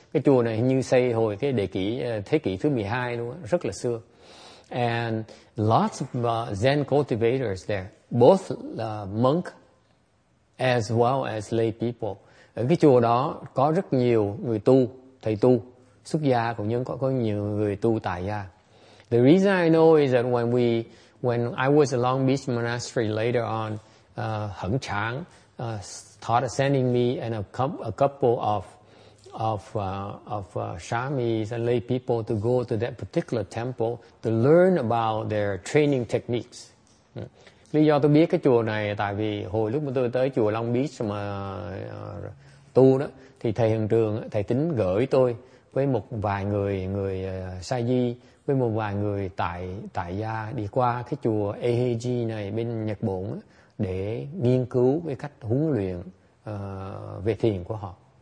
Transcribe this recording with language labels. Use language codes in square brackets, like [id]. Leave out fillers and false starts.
[vi] Cái chùa này như xây hồi cái đệ kỷ thế kỷ thứ 12 luôn, rất là xưa. [en] And lots of Zen cultivators there, both monk as well as lay people. [vi] Ở cái chùa đó có rất nhiều người tu, thầy tu, xuất gia cũng như có nhiều người tu tại gia. [en] The reason I know is that when I was at Long Beach Monastery later on, Heng Chang started sending me and a couple of shamis and lay people to go to that particular temple to learn about their training techniques. [vi] Lý do tôi biết cái chùa này tại vì hồi lúc mà tôi tới chùa Long Beach mà tu đó, thì thầy hiện trường, thầy Tính gửi tôi với một vài người sa di, với một vài người tại gia đi qua cái chùa Eiheiji này bên Nhật Bản để nghiên cứu cái cách huấn luyện về thiền của họ.